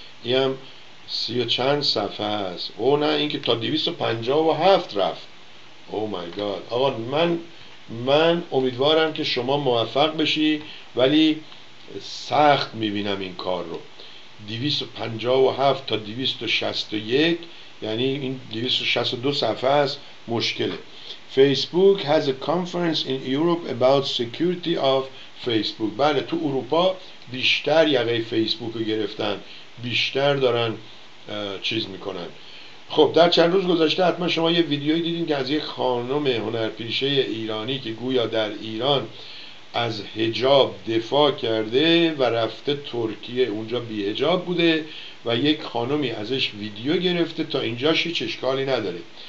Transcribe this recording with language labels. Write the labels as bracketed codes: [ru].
[fa] اینم 30 و چند صفحه است. او نه، این که تا 257 رفت. [en] Oh my god. [fa] آقا من امیدوارم که شما موفق بشی، ولی سخت می‌بینم این کار رو. 257 تا 261، یعنی این 262 صفحه است، مشکله. [en] Facebook has a conference in Europe about security of Facebook. [fa] بله تو اروپا بیشتر یقه فیسبوک رو گرفتن، بیشتر دارن چیز میکنن. خب در چند روز گذشته حتما شما یه ویدیوی دیدین که از یک خانم هنرپیشه ایرانی که گویا در ایران از حجاب دفاع کرده و رفته ترکیه، اونجا بی حجاب بوده و یک خانمی ازش ویدیو گرفته، تا اینجاش هیچ اشکالی نداره.